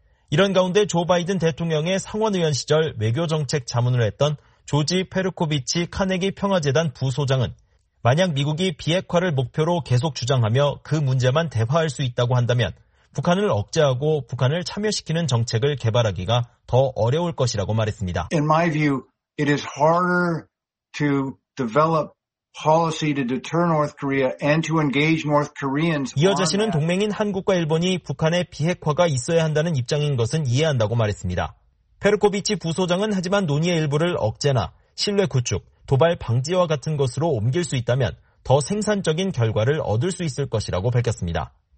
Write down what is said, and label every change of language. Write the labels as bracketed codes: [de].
[ko] 이런 가운데 조 바이든 대통령의 상원의원 시절 외교정책 자문을 했던 조지 페르코비치 카네기 평화재단 부소장은 만약 미국이 비핵화를 목표로 계속 주장하며 그 문제만 대화할 수 있다고 한다면 북한을 억제하고 북한을 참여시키는 정책을 개발하기가 더 어려울 것이라고 말했습니다. [en] In my view, it is harder to develop policy to deter North Korea and to engage North Koreans. [ko] 이어 자신은 동맹인 한국과 일본이 북한의 비핵화가 있어야 한다는 입장인 것은 이해한다고 말했습니다. 페르코비치 부소장은 하지만 논의의 일부를 억제나 신뢰 구축, 도발 방지와 같은 것으로 옮길 수 있다면 더 생산적인 결과를 얻을 수 있을 것이라고 밝혔습니다.